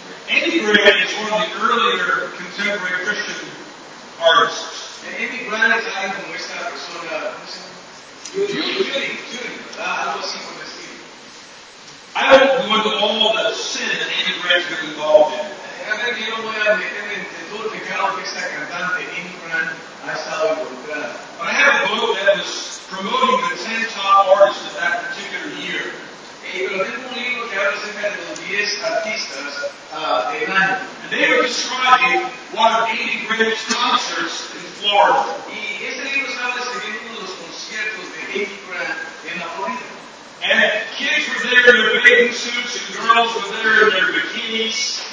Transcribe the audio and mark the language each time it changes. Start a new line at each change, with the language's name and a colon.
English: Andy Grant is one of the earlier contemporary Christian artists. And Andy Grant is one of the earlier contemporary Christian artists. I don't go into all the sin that Andy Grant has been involved in.
Spanish: A ver, yo no voy a meter en todo el pecado que esta cantante Andy Grant ha estado involucrada.
English: But I have a book that was promoting the 10 top artists of that particular year.
Spanish: Pero tengo un libro que habla acerca de los 10 artistas de año.
English: And they were describing one of Andy Grant's concerts in Florida.
Spanish: Y este libro estaba describiendo uno de los conciertos de Andy Grant en la Florida.
English: And kids were there in their bathing suits, and girls were there in their bikinis.